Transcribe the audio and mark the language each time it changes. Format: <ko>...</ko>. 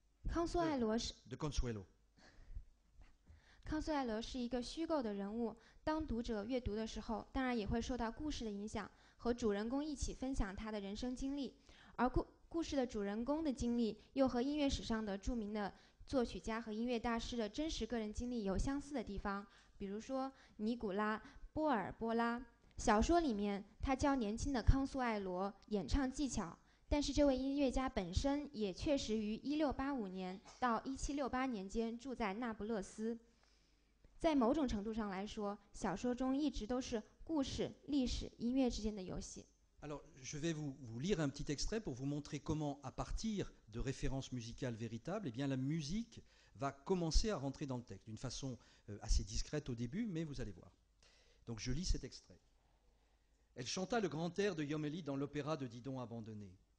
<fr>Consuelo.</fr> <zh>Consuelo 是一个虚构的人物，当读者阅读的时候，当然也会受到故事的影响，和主人公一起分享他的人生经历，而故事的主人公的经历又和音乐史上的著名的作曲家和音乐大师的真实个人经历有相似的地方，比如说尼古拉·波尔波拉。小说里面，他教年轻的康素艾罗演唱技巧，但是这位音乐家本身也确实于1685年到1768年间住在那不勒斯。在某种程度上来说，小说中一直都是故事、历史、音乐之间的游戏。</zh> <fr>Alors, je vais vous lire un petit extrait pour vous montrer comment, à partir de références musicales véritables, eh bien, la musique va commencer à rentrer dans le texte, d'une façon assez discrète au début, mais vous allez voir. Donc, je lis cet extrait. Elle chanta le grand air de Yomeli dans l'opéra de Didon abandonné.</fr>